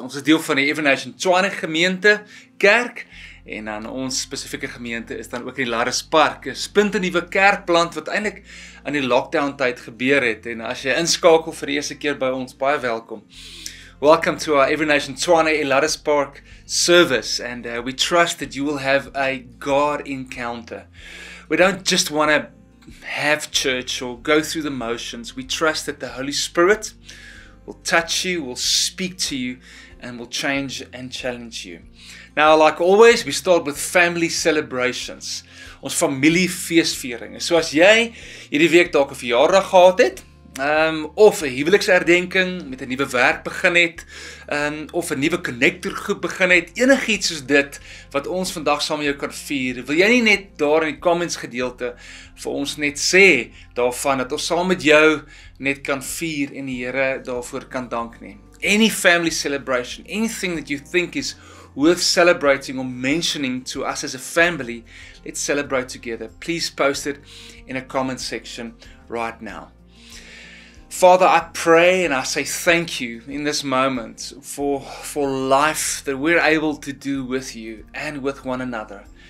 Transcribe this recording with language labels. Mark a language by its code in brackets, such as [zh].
[af] Ons is deel van die Every Nation Tshwane gemeente kerk en dan ons spesifieke gemeente is dan ook in Elaris Park. Is punt 'n nuwe kerkplant wat eintlik in die lockdown tyd gebeur het en as jy inskakel vir die eerste keer by ons, baie welkom. [en] Welcome to our Every Nation Tshwane Elaris Park service and we trust that you will have a God encounter. We don't just want to have church or go through the motions. We trust that the Holy Spirit will touch you, will speak to you, and will change and challenge you. Now, like always, we start with family celebrations. [af] Ons familie feestviering. So as jy hierdie week dalk 'n verjaardag gehad het, of 'n huweliksherdenking met 'n nuwe werk begin het, of 'n nuwe connector groep begin het, enigiets soos dit wat ons vandag saam met jou kan vier. Wil jy nie net daar in die comments gedeelte vir ons net sê daarvan dat ons saam met jou net kan vier en die Here daarvoor kan dank nie. [en] Any family celebration, anything that you think is worth celebrating or mentioning to us as a family, let's celebrate together. Please post it in a comment section right now. Father, I pray and I say thank you in this moment for life that we're able to do with you and with one another.